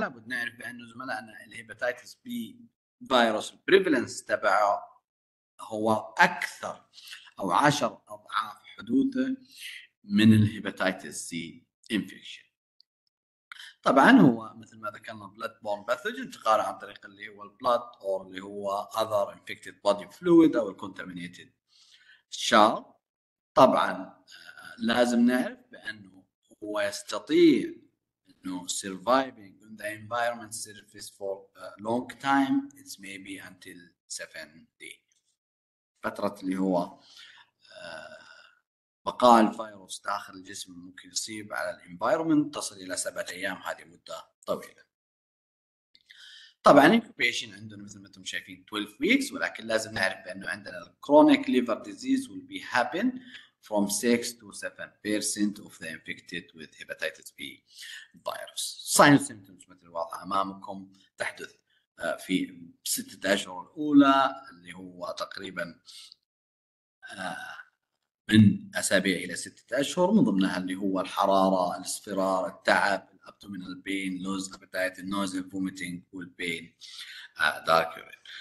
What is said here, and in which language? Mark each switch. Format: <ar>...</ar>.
<ar>لابد نعرف بان زملائنا الهيباتيتس بي فيروس البريفلنس تبعه هو اكثر او 10 اضعاف حدوثه من الهيباتيتس سي انفكشن. طبعا هو مثل ما ذكرنا بلاد بورن باثوجين انتقال عن طريق اللي هو البلاد او اللي هو اذر انفكتد بودي فلويد او الكونتامينيتد شار. طبعا لازم نعرف بانه هو يستطيع انه</ar> <en>surviving in the environment surface for a long time, it's maybe until 7 days.</en> <ar>فترة اللي هو بقاء الفيروس داخل الجسم ممكن يصيب على الانفايرمنت تصل الى 7 ايام، هذه مدة طويلة.</ar> <en>طبعا incubation عندنا</en> <ar>مثل ما انتم شايفين</ar> <en>12 weeks،</en> <ar>ولكن لازم نعرف بانه عندنا</ar> <en>chronic liver disease will be happen from 6 to 7% of the infected with hepatitis B virus.</en> <ar>Signs and symptoms مثل الوضع أمامكم تحدث في 6 أشهر الأولى اللي هو تقريبا من أسابيع إلى 6 أشهر، من ضمنها اللي هو الحرارة، الاصفرار، التعب،</ar> <en>Abdominal pain, loss appetite, النوزيا، vomiting والبين dark urine.</en>